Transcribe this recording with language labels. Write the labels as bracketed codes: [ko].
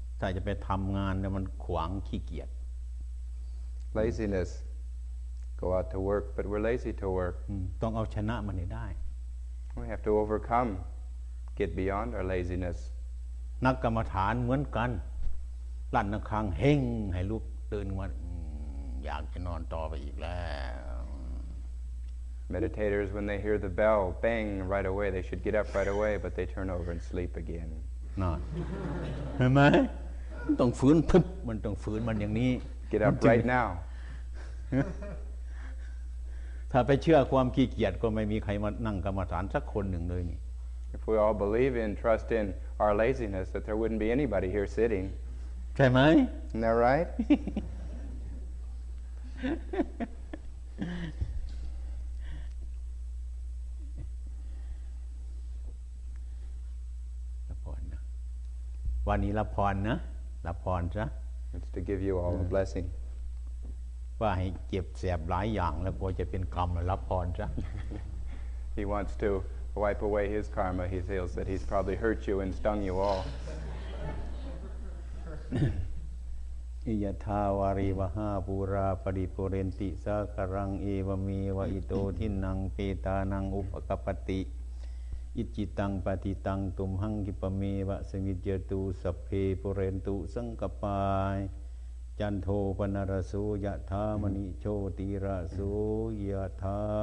[th] ถ้าจะไปทำงานเนี่ยมันขวางขี้เกียจ [en] laziness go out to work but we're lazy to work [th] ต้องเอาชนะมันให้ได้ [en] we have to overcome get beyond our laziness [th] นักกรรมฐานเหมือนกันลั่นระฆังเฮงให้ลุกตื่นมาอยากจะนอนต่อไปอีกแล้ว [en] meditators when they hear the bell bang right away they should get up right away but they turn over and sleep again [th] นอนเห็นไหมต้องฝืนพึบมันต้องฝืนมันอย่างนี้ [en] Get up right now [th] ถ้าไปเชื่อความขี้เกียจก็ไม่มีใครมานั่งกรรมฐานสักคนหนึ่งเลยนี่ [en] If we all believe in trust in our laziness that there wouldn't be anybody here sitting [th] ใช่ไหม [en] Isn't that right [th] วันนี้รับพรนะรับพรซะ [en] It's to give you all a blessing [th] ว่าให้เก็บแสบหลายอย่างแล้วกลัวจะเป็นกรรมรับพรซะ [en] He wants to wipe away his karma he feels that he's probably hurt you and stung you all [pi] อิยทาวาริวหาปูราปริปุเรนติสักรังเอวมีวะอิโตทินังเปตานังอุปกปติอิจิตังปฏิตังตุมหังกิปเมวะสังวิจตุสัพเพปุเรนตุสังกปายจันโทปนรสุยะธามณิโชติระสุยะธา